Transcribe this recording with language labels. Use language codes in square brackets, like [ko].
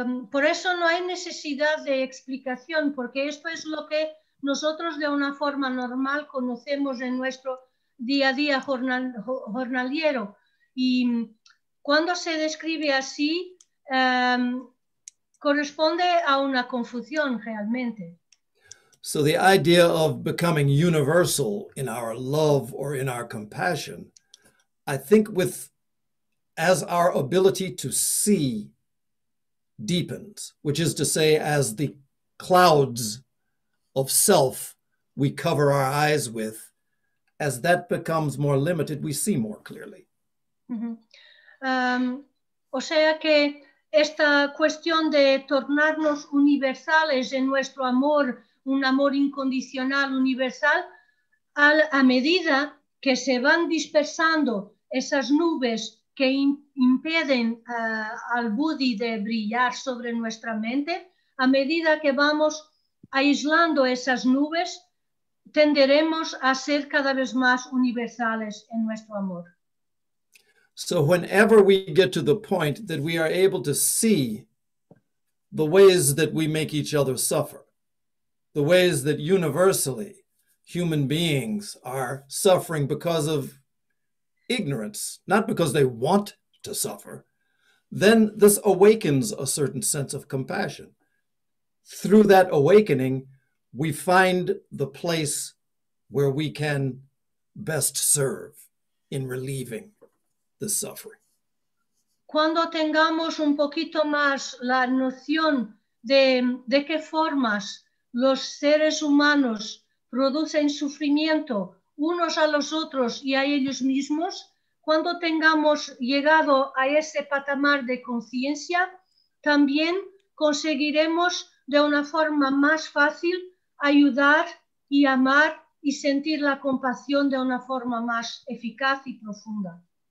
[es] Por eso no hay necesidad de explicación, porque esto es lo que nosotros de una forma normal conocemos en nuestro día a día jornaliero. Y cuando se describe así, corresponde a una confusión realmente. [en] So the idea of becoming universal in our love or in our compassion, I think as our ability to see deepens, which is to say, as the clouds of self we cover our eyes with, as that becomes more limited, we see more clearly. Mm-hmm. [es] O sea que esta cuestión de tornarnos universales en nuestro amor, un amor incondicional, universal, a medida que se van dispersando esas nubes que impiden al Buddhi de brillar sobre nuestra mente, a medida que vamos aislando esas nubes, tenderemos a ser cada vez más universales en nuestro amor. [en] So whenever we get to the point that we are able to see the ways that we make each other suffer, the ways that universally human beings are suffering because of ignorance, not because they want to suffer, then this awakens a certain sense of compassion. Through that awakening, we find the place where we can best serve in relieving the suffering. [es] Cuando tengamos un poquito más la noción de qué formas los seres humanos producen sufrimiento unos a los otros y a ellos mismos, cuando tengamos llegado a ese patamar de conciencia, también conseguiremos de una forma más fácil ayudar y amar y sentir la compasión de una forma más eficaz y profunda.